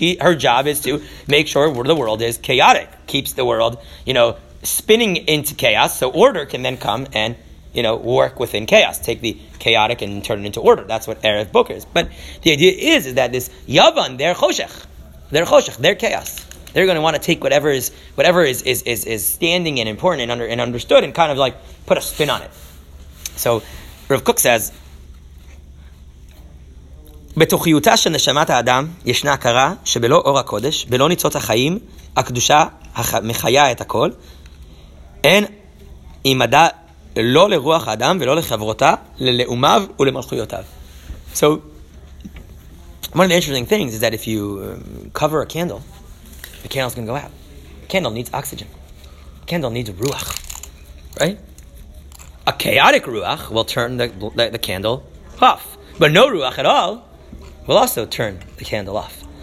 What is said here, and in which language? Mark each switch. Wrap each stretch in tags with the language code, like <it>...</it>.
<en>Her job is to make sure the world is chaotic. Keeps the world, you know, spinning into chaos so order can then come and, you know, work within chaos. Take the chaotic and turn it into order. That's what Erev Boker is. But the idea is that this Yavan, they're choshech, they're chaos. They're going to want to take whatever is standing and important and understood and kind of like put a spin on it. So Rav Kook says,</en> <he>בתוכיותה של נשמת האדם ישנה הכרה שבלא אור הקודש, בלא ניצות החיים, הקדושה מחיה את הכל, אין עימדה לא לרוח האדם ולא לחברותה, ללאומיו ולמלכויותיו.</he> <en>So, one of the interesting things is that if you cover a candle, the candle's going to go out. The candle needs oxygen. The candle needs ruach. Right? A chaotic ruach will turn the candle off. But no ruach at all will also turn the candle off.</en>